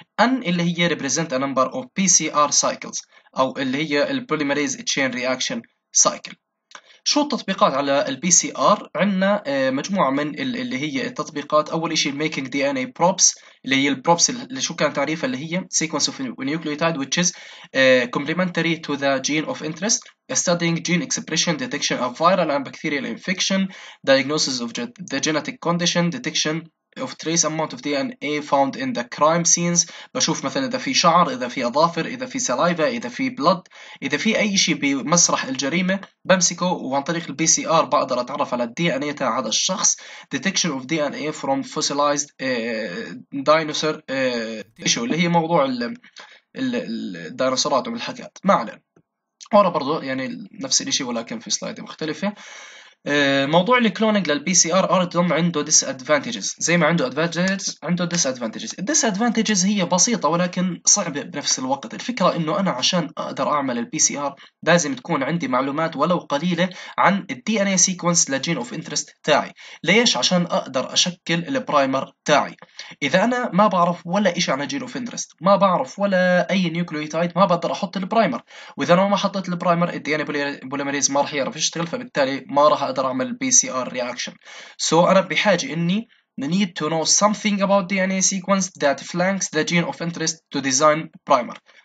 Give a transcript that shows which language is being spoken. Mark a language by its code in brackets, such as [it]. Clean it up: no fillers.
[en] N [ar] اللي هي [en] represent a number of PCR cycles [ar] أو اللي هي [en] polymerase chain reaction cycle. [ar] شو التطبيقات على البي سي ار؟ عندنا مجموعه من اللي هي التطبيقات. اول شيء الميكنج دي ان اي بروبس اللي هي البروبس اللي شو كان تعريفها اللي هي [en] Sequence of nucleotide which is complementary to the gene of interest. Studying gene expression, detection of viral and bacterial infection, diagnosis of the genetic condition, detection of trace amount of DNA found in the crime scenes. [ar] بشوف مثلا اذا في شعر، اذا في اظافر، اذا في saliva، اذا في blood، اذا في اي شيء بمسرح الجريمه بمسكه وعن طريق البي سي ار بقدر اتعرف على الدي ان اي تاع هذا الشخص. [en] Detection of DNA from fossilized dinosaur tissue [ar] اللي هي موضوع الديناصورات والحاجات. ما علينا. ورا برضه يعني نفس الشيء ولكن في سلايد مختلفه. موضوع الكلونينج للبي سي ار ار عنده ديس ادفانتجز، زي ما عنده ادفانتجز عنده ديس ادفانتجز. الديس ادفانتجز هي بسيطه ولكن صعبه بنفس الوقت. الفكره انه انا عشان اقدر اعمل البي سي ار لازم تكون عندي معلومات ولو قليله عن الدي ان اي سيكونس للجين اوف انترست تاعي. ليش؟ عشان اقدر اشكل البرايمر تاعي. اذا انا ما بعرف ولا شيء عن جين اوف انترست، ما بعرف ولا اي نيوكليوتايد، ما بقدر احط البرايمر. واذا انا ما حطيت البرايمر، الدي ان اي بوليمريز ما راح يعرف يشتغل، فبالتالي ما راح اقدر اعمل بي سي ار رياكشن. [en] so [ar] انا بحاجه اني [en] need to know something about the DNA sequence that flanks the gene of interest to design primer.